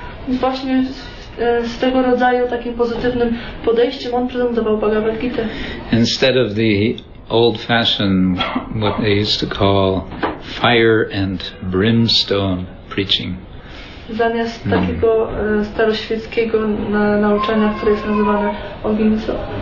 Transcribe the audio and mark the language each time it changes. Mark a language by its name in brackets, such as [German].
[Polish] Właśnie z tego rodzaju takim pozytywnym podejściem on prezentował Bhagavad Gita. [English] Instead of the old-fashioned, what they used to call fire and brimstone preaching. [Polish] Zamiast takiego staroświeckiego nauczania, które jest nazywane ogień i sól.